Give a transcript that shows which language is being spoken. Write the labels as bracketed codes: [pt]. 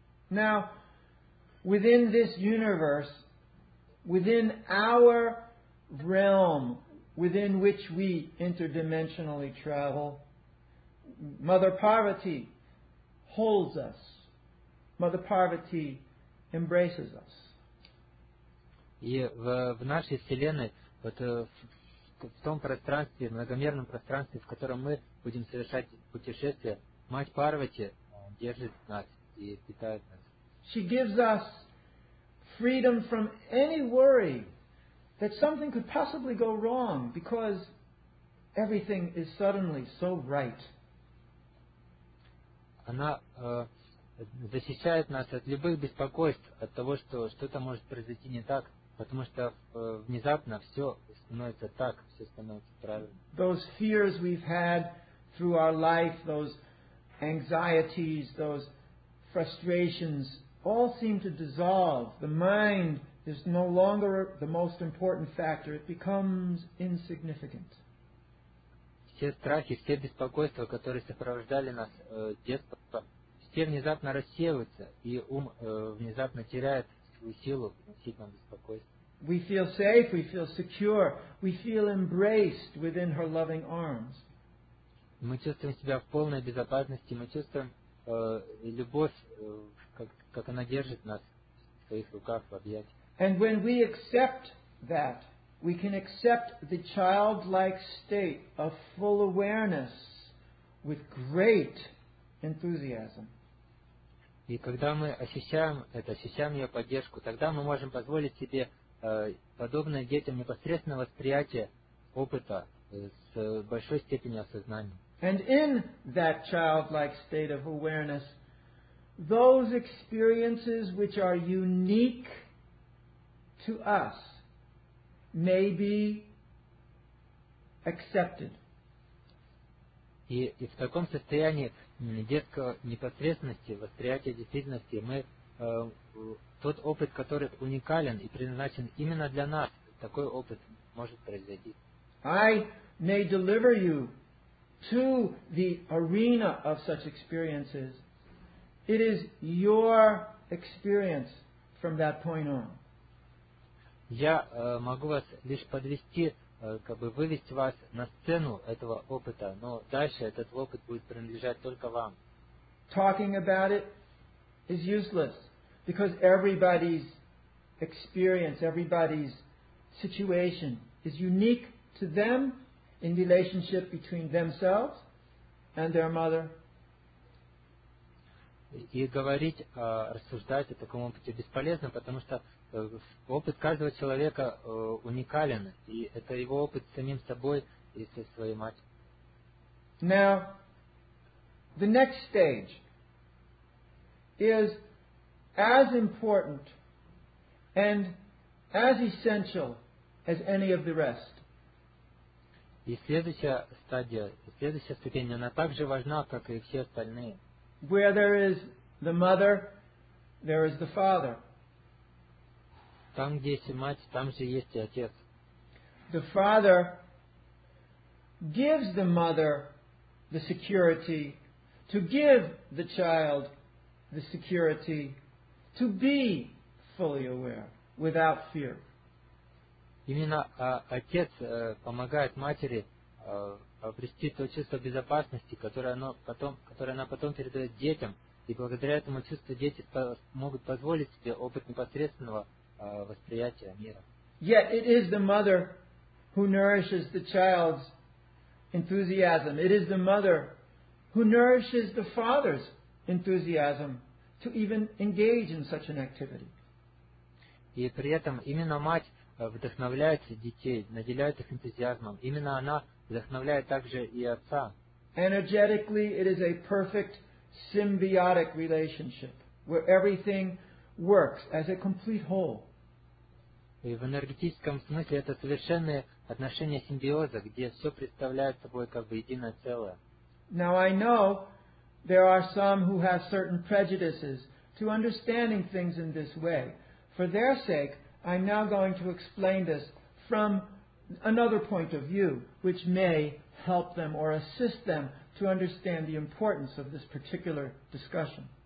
[en] Now, within this universe, within our realm, within which we interdimensionally travel, Mother Parvati holds us. Mother Parvati embraces us. [ru] И в нашей вселенной, вот в том пространстве, многомерном пространстве, в котором мы будем совершать путешествия, Мать Парвати держит нас и питает нас. [en] She gives us freedom from any worry that something could possibly go wrong because everything is suddenly so right. [ru] Она защищает нас от любых беспокойств, от того, что что-то может произойти не так, потому что внезапно все становится так, все становится правильно. [en] Those fears we've had through our life, those anxieties, those frustrations, all seem to dissolve. The mind is no longer the most important factor. It becomes insignificant. [ru] Все страхи, все беспокойства, которые сопровождали нас с детства, все те внезапно рассеиваются, и ум внезапно теряет свою силу относительно беспокойства. [en] We feel safe, we feel secure, we feel embraced within her loving arms. [ru] Мы чувствуем себя в полной безопасности, мы чувствуем любовь, как она держит нас в своих руках, в объятиях. [en] And when we accept that, we can accept the childlike state of full awareness with great enthusiasm. [ru] И когда мы ощущаем это, ощущаем ее поддержку, тогда мы можем позволить себе подобное детям непосредственное восприятие опыта с большой степенью осознания. [en] And in that childlike state of awareness, those experiences which are unique to us may be accepted. [ru] И в таком состоянии детской непосредственности, восприятия действительности, мы тот опыт, который уникален и предназначен именно для нас, такой опыт может произойти. [en] I may deliver you to the arena of such experiences. It is your experience from that point on. [ru] Я могу вас лишь подвести, как бы вывести вас на сцену этого опыта, но дальше этот опыт будет принадлежать только вам. [en] Talking about it is useless, because everybody's experience, everybody's situation is unique to them in relationship between themselves and their mother. [ru] И говорить, рассуждать о таком опыте бесполезно, потому что опыт каждого человека уникален, и это его опыт с самим собой и со своей матерью. [en] Now, the next stage is as important and as essential as any of the rest. [ru] И следующая стадия, следующая ступень, она так же важна, как и все остальные. [en] Where there is the mother, there is the father. [ru] Там, где есть мать, там же есть и отец. [en] The father gives the mother the security to give the child the security to be fully aware, without fear. [ru] Именно отец помогает матери обрести то чувство безопасности, которое она потом передает детям, и благодаря этому чувству дети могут позволить себе опыт непосредственного восприятия мира. [en] Yet it is the mother who nourishes the child's enthusiasm. It is the mother who nourishes the father's enthusiasm to even engage in such an activity. [ru] И при этом именно мать вдохновляет детей, наделяет их энтузиазмом. Именно она вдохновляет также и отца. [en] Energetically, it is a perfect symbiotic relationship where everything works as a complete whole. [ru] И в энергетическом смысле это совершенное отношение симбиоза, где все представляет собой как бы единое целое. [en] Now I know there are some who have certain prejudices to understanding things in this way. For their sake, I'm now going to explain this from another point of view, which may help them or assist them to understand the importance of this particular discussion.